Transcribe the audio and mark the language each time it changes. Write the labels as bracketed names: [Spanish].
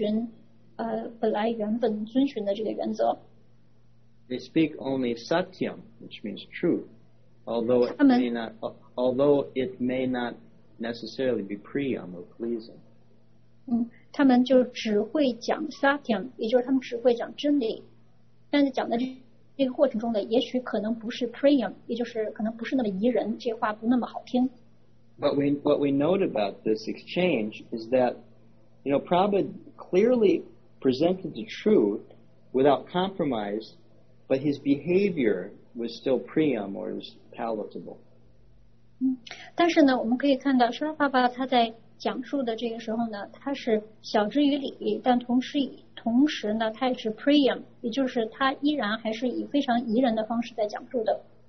[Chinese] 但是呢，当这个关系到对经典的辩论的时候，他们就没有在遵循本来原本遵循的这个原则。 [English] They speak only satyam, which means truth, although it may not necessarily be priyam or pleasing. [Chinese] 他们就只会讲 satyam, 也就是他们只会讲真理，但是讲的这个过程中的也许可能不是 priyam, 也就是可能不是那么宜人，这话不那么好听。 [English] But what we note about this exchange is that, you know, Prabhupada clearly presented the truth without compromise. But his behavior was still priyam or was palatable. [Chinese] 但是呢，我们可以看到，舍利巴巴他在讲述的这个时候呢，他是晓之于理，但同时呢，他也是 priyam， 也就是他依然还是以非常宜人的方式在讲述的。